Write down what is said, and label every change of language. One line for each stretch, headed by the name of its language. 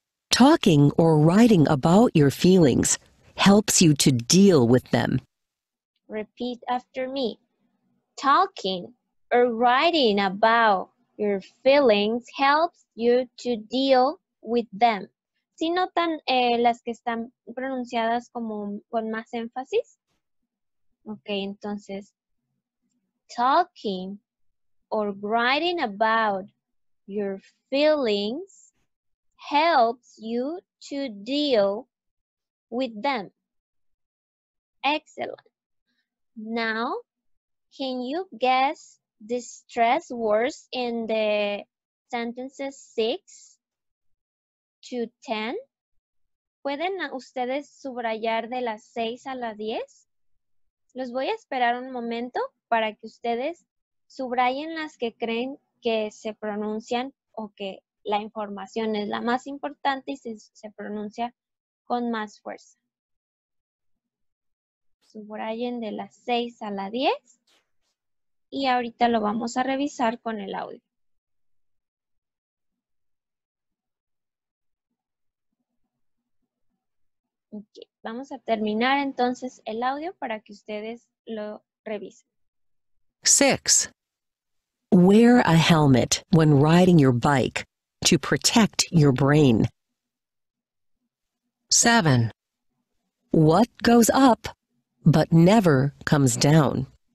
English: Talking or writing about your feelings helps you to deal with them. Repeat after me. Talking or writing about your feelings helps you to deal with them.
Spanish: ¿Sí notan las que están pronunciadas como con más énfasis? Okay, entonces.
English: Talking or writing about your feelings helps you to deal with them. Excellent. Now, can you guess the stress words in the sentences 6 to 10?
Spanish: ¿Pueden ustedes subrayar de las 6 a las 10? Los voy a esperar un momento para que ustedes subrayen las que creen que se pronuncian o que la información es la más importante y se pronuncia con más fuerza. Subrayen de las 6 a la 10 y ahorita lo vamos a revisar con el audio. Okay. Vamos a terminar entonces el audio para que ustedes lo revisen. 6.
English: Wear a helmet when riding your bike to protect your brain. 7. What goes up but never comes down?